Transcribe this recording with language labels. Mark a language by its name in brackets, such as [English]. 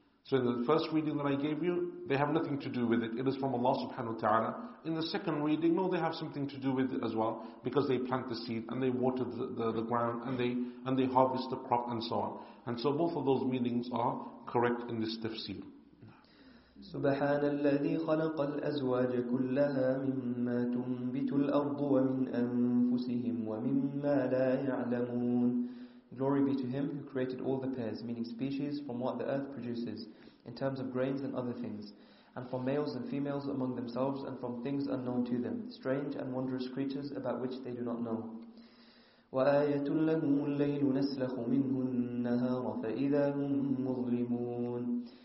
[English] So in the first reading that I gave you, they have nothing to do with it. It is from Allah subhanahu wa ta'ala. In the second reading, no, they have something to do with it as well, because they plant the seed and they water the ground and they harvest the crop and so on. And so both of those meanings are correct in this tafsir. [Arabic] سبحان الذي خلق الأزواج كلها مما تنبت الأرض ومن أنفسهم ومما لا يعلمون. [English] Glory be to him who created all the pairs, meaning species, from what the earth produces, in terms of grains and other things, and from males and females among themselves, and from things unknown to them, strange and wondrous creatures about which they do not know. [Arabic] وَآيَةٌ لَهُمُ اللَّيْلُ نَسْلَخُ مِنْهُ النَّهَارَ فَإِذَا هُمْ مُظْلِمُونَ.